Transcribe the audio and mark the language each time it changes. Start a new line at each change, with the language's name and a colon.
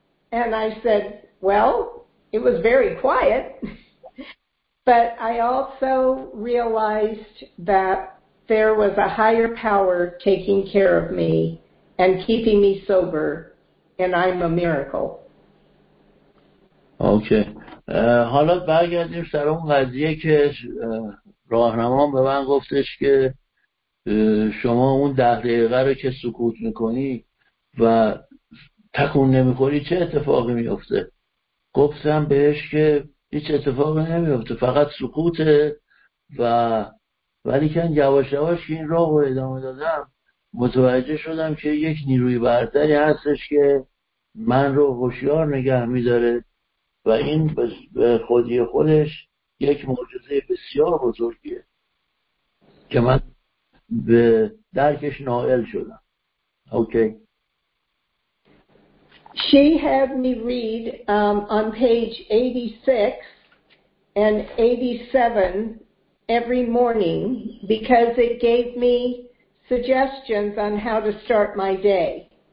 English: And I said, "Well, it was very quiet." But I also realized that there was a higher power taking care of me and keeping me sober, and I'm a miracle. Okay.
Persian: حالا برگردیم سر اون قضیه که راهنمام به من گفتش که شما اون 10 دقیقه رو که سکوت میکنی و تکون نمیخوری چه اتفاقی میفته. گفتم بهش که هیچ اتفاقی نمیفته، فقط سکوته. و ولی که یواش یواش این راه رو ادامه دادم، متوجه شدم که یک نیروی برتری هستش که من رو هوشیار نگه میداره و این به خودی خودش یک معجزه بسیار بزرگیه که من به درکش نائل شدم.
English: Okay. She had me read on page 86 and 87 every morning because it gave me suggestions on how to start my day.